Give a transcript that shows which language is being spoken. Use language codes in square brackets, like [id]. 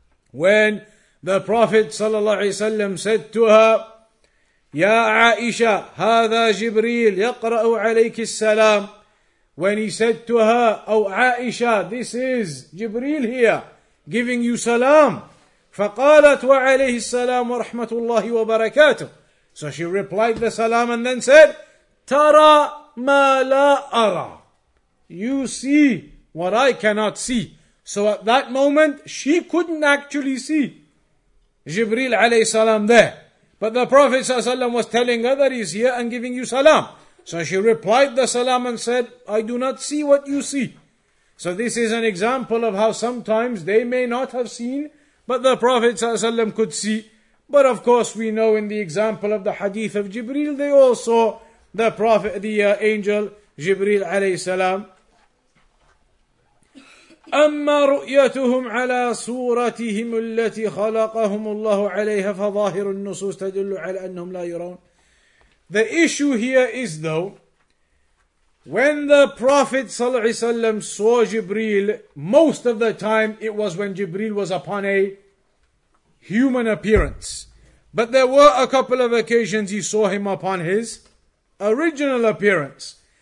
[en] When the Prophet ﷺ said to her, [ar] Ya Aisha, hadha Jibreel, yaqra'u alayki salam. [en] When he said to her, O Aisha, this is Jibreel here, giving you salam. [ar] فقالت وعليه السلام ورحمة الله وبركاته. [en] So she replied the salam and then said, [ar] ترى ما لا أرى. [en] You see what I cannot see. So at that moment, she couldn't actually see Jibreel alayhi salam there. But the Prophet ﷺ was telling her that he's here and giving you salam. So she replied the salam and said, I do not see what you see. So this is an example of how sometimes they may not have seen, but the Prophet ﷺ could see. But of course we know in the example of the hadith of Jibreel, they all saw the angel [ar] جبريل عليه السلام أما رؤيتهم على صورتهم التي خلقهم الله عليها فظاهر النصوص تدل على أنهم لا يرون. [en] The issue here is though, when the Prophet [ar] صلى الله عليه وسلم [en] saw Jibreel, most of the time it was when Jibreel was upon a human appearance. But there were a couple of occasions he saw him upon his original appearance.